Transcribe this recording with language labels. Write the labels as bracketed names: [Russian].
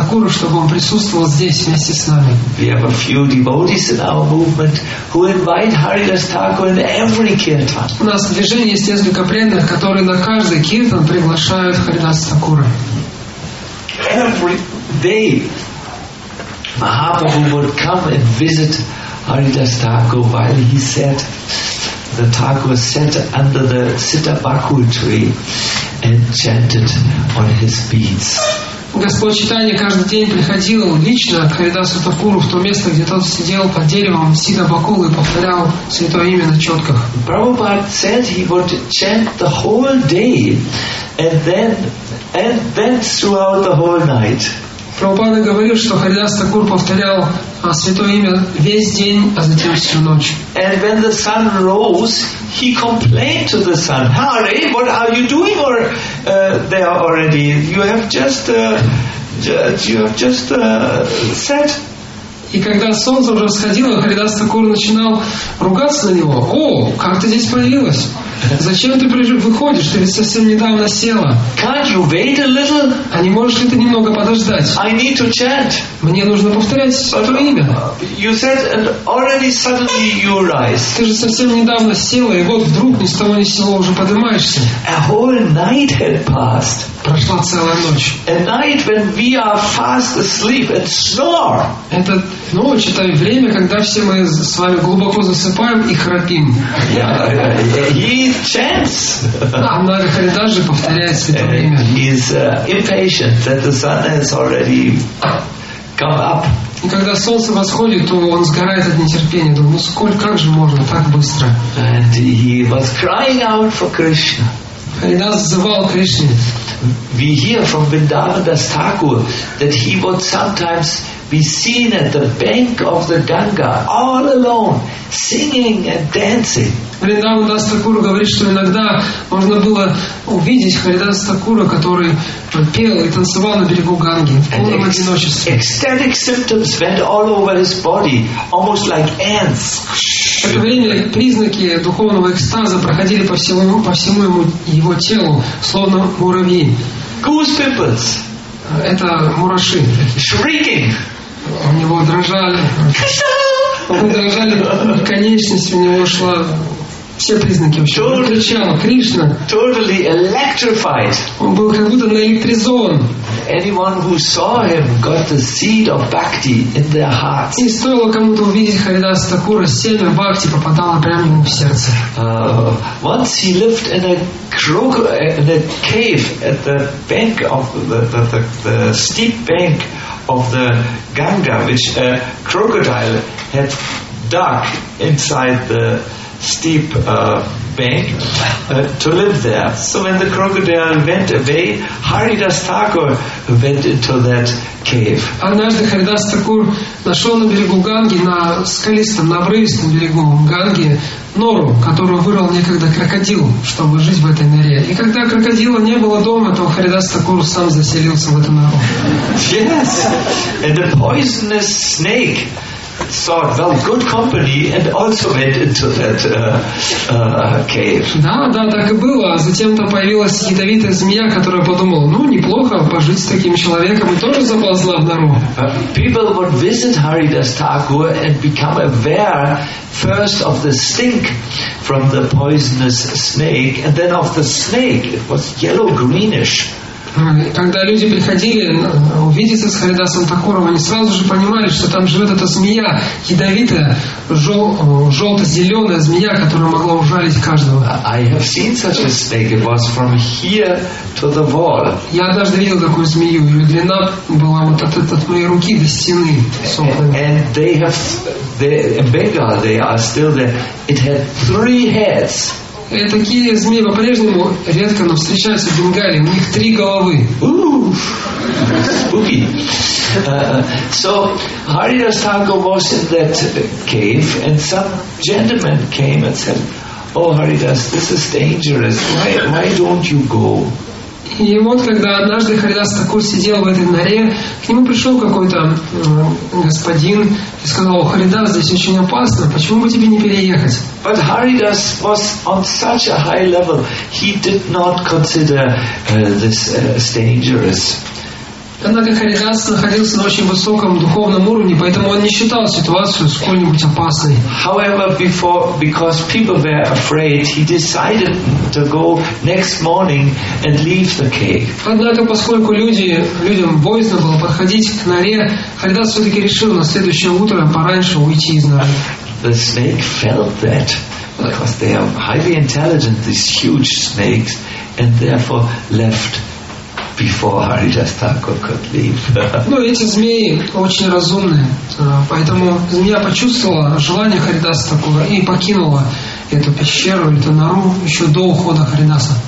[Russian] Чтобы он присутствовал здесь вместе с нами. [English] We have a few devotees in our movement who invite Haridas Thakur in every kirtan. [Russian] У нас движение есть несколько преданных, которые на каждый киртан приглашают Харидас Такура. [English] Every day, Mahaprabhu would come and visit Haridas Thakur while he sat. The Thakur sat under the Sitabaku tree and chanted on his beads. [Russian] Господь Чайтанья каждый день приходил лично к Харидасу Такуру в то место, где тот сидел под деревом Сидабакул и повторял святое имя на четках. [English] Прабхупад said he would chant the whole day and then throughout the whole night. [Russian] Прабхупада говорил, что Харидас Такур повторял святое имя весь день, а затем всю ночь. [English] And when the sun rose, he complained to the sun, Hare, what are you doing or, there already? You have just said. [Russian] И когда солнце уже восходило, Харидас Такур начинал ругаться на него. О, как ты здесь появилась? Зачем ты выходишь? Ты ведь совсем недавно села. [English] Can't you wait a little? [Russian] А не можешь ли ты немного подождать? [English] I need to chant. [Russian] Мне нужно повторять твое имя. [English] You said and already suddenly you rise. [Russian] Ты же совсем недавно села, и вот вдруг ни с того ни с сего уже поднимаешься. [English] A whole night had passed. [Russian] Прошла целая ночь. [English] A night when we are fast asleep and snore. [Russian] Это ночь, это время, когда все мы с вами глубоко засыпаем и храпим. [English] Yeah. He chants. [Russian] Же повторяет святое имя. [English] He's impatient that the sun has already come up. [Russian] И когда солнце восходит, то он сгорает от нетерпения. Думает, ну сколько, как же можно так быстро? [English] And he was crying out for Krishna. [Russian] Харидас звал Кришне. [English] We hear from Vrindavan Das Thakur that he would sometimes be seen at the bank of the Ganga all alone, singing and dancing. [Russian] Vrindavan Das Thakur говорит, что иногда можно было увидеть Харидас Такура, который пел и танцевал на берегу Ганги в полном одиночестве. [English] Ecstatic symptoms went all over his body, almost like ants. [Russian] В это время признаки духовного экстаза проходили по всему ему, его телу, словно муравьи. [English] Goose pimples. [Russian] Это мураши. [English] Shrieking. [Russian] У него дрожали. [English] Krishna! [Russian] Он дрожали, конечность у него шла. Все признаки вообще. Он кричал, Кришна. [English] Totally electrified. [Russian] Он был как будто наэлектризован. [English] Anyone who saw him got the seed of bhakti in their hearts. [Russian] И стоило кому-то увидеть Харидаса Такура, семя бхакти попадало прямо ему в сердце. [English] Once he lived in a crook, in a cave at the bank of the steep bank of the Ganga, which a crocodile had dug inside the steep bank to live there. So when the crocodile went away, Haridas Thakur went into that cave. [Russian] Однажды Харидас Такур нашел на берегу Ганги, на скалистом, на обрывистом берегу Ганги, нору, которую вырыл некогда крокодил, чтобы жить в этой норе. И когда крокодила не было дома, то Харидас Такур сам заселился в эту нору. [English] Yes, and the poisonous snake thought, well, good company, and also went into that cave. [Russian] Да, да, так и было. А затем там появилась ядовитая змея, которая подумала, ну, неплохо пожить с таким человеком, и тоже заползла в нору. [English] People would visit Haridas Thakur and become aware first of the stink from the poisonous snake, and then of the snake. It was yellow-greenish. [Russian] Когда люди приходили увидеться с Харидасом Такуром, они сразу же понимали, что там живет эта змея, ядовитая, желто-зеленая змея, которая могла ужалить каждого. [English] I have seen such a snake. It was from here to the wall. [Russian] Я однажды видел такую змею. Ее длина была вот от моей руки до стены. [English] And they have, in Bengal, they are still there. It had three heads. [Russian] И такие змеи по-прежнему редко, но встречаются в Бенгале. У них три головы. [English] Spooky. So Haridas Thakur was in that cave, and some gentleman came and said, "Oh, Haridas, this is dangerous. Why don't you go?" [Russian] И вот когда однажды Харидас Такур сидел в этой норе, к нему пришел какой-то господин и сказал, «О, Харидас, здесь очень опасно, почему бы тебе не переехать?» [English] But Haridas was on such a high level, he did not consider this as dangerous. [Russian] Однако Харидас находился на очень высоком духовном уровне, поэтому он не считал ситуацию сколь-нибудь опасной. [English] However, because people were afraid, he decided to go next morning and leave the cave. [Russian] Однако, поскольку людям боязно было подходить к норе, Харидас все-таки решил на следующее утро пораньше уйти из норы. [English] The snake felt that, because they are highly intelligent, these huge snakes, and therefore left before Haridas Thakur could leave. [Russian] Ну, эти змеи очень разумные, поэтому змея почувствовала желание Харидаса Такура и покинула эту пещеру, эту нору еще до ухода Харидаса.